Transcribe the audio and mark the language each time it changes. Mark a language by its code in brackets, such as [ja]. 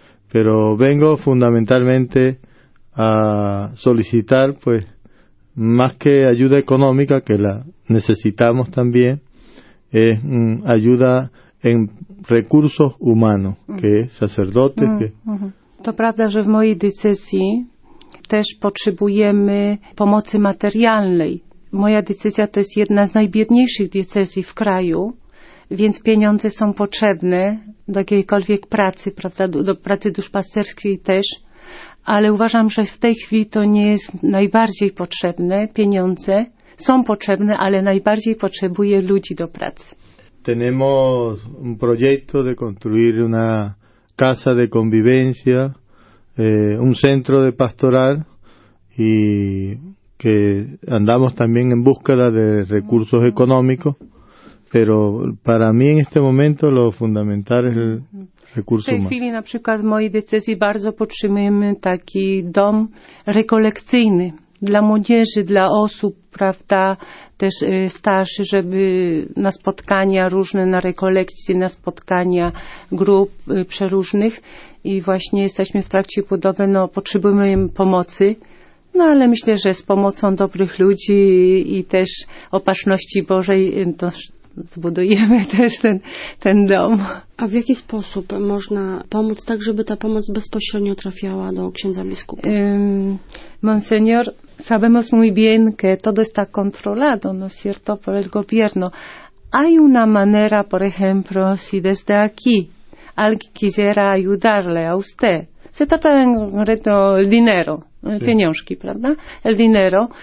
[es] Pero vengo fundamentalmente a solicitar, pues, más que ayuda económica, que la necesitamos también, es ayuda en recursos humanos, que es sacerdotes. Que... [pl] To prawda, że w mojej decyzji też potrzebujemy pomocy materialnej. Moja decyzja to jest jedna z najbiedniejszych decyzji w kraju, więc pieniądze są potrzebne do jakiejkolwiek pracy, prawda, do pracy duszpasterskiej też. Ale uważam, że w tej chwili to nie jest najbardziej potrzebne. Pieniądze są potrzebne, ale najbardziej potrzebuje ludzi do pracy. [es] Tenemos un proyecto de construir una casa de convivencia, un centro de pastoral y que andamos también en búsqueda de recursos económicos, pero para mí en este momento lo fundamental es el recurso humano. [pl] W tej chwili na przykład w mojej decyzji bardzo potrzebujemy taki dom rekolekcyjny dla młodzieży, dla osób, prawda, też starszych, żeby na spotkania różne, na rekolekcje, na spotkania grup przeróżnych i właśnie jesteśmy w trakcie budowy, no potrzebujemy pomocy. No ale myślę, że z pomocą dobrych ludzi i też opatrzności Bożej to zbudujemy też ten dom. A w jaki sposób można pomóc tak, żeby ta pomoc bezpośrednio trafiała do księdza biskupa? [es] Monsenior, sabemos muy bien que todo está controlado, ¿no es cierto?, por el gobierno. Hay una manera, por ejemplo, si desde aquí alguien quisiera ayudarle a usted. Se trata en concreto el dinero, sí. [pl] Pieniążki, [es] ¿verdad? El dinero.